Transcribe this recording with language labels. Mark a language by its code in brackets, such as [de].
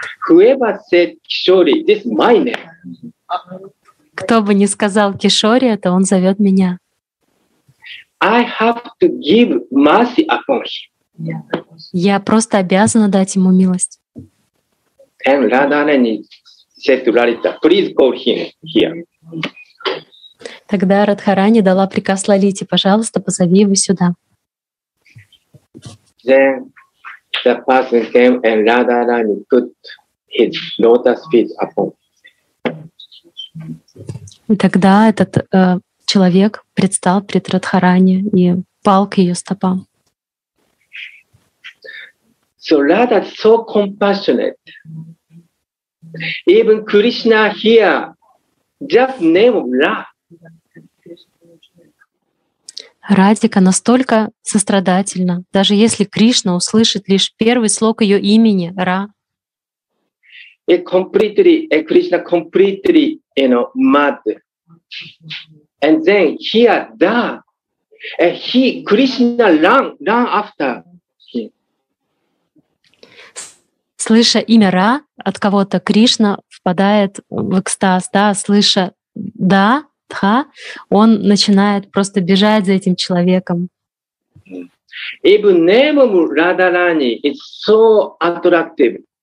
[en] Whoever said Kishori, this is my name. [ru] Кто бы ни сказал Кишори, это он зовет меня. [en] I have to give mercy upon him. [ru] Я просто обязана дать ему милость. [en] And Radharani said to Lalita, please call him here. [ru] Тогда Радхарани дала приказ Лалите, пожалуйста, позови его сюда. [en] Then the person came and Radharani put his lotus feet upon him. [ru] И тогда этот человек предстал пред Радхарани и пал к ее стопам. [en] So Radha so compassionate. Even Krishna here, just name of love. [ru] Радика настолько сострадательна, даже если Кришна услышит лишь первый слог ее имени Ра. [en] It completely, Krishna completely, you know, mad. And then here, da, and he, Krishna ran after him. [ru] Слыша имя Ра от кого-то, Кришна впадает в экстаз, да, слыша да, тха, он начинает просто бежать за этим человеком. [en] Even name of Radharani is so attractive.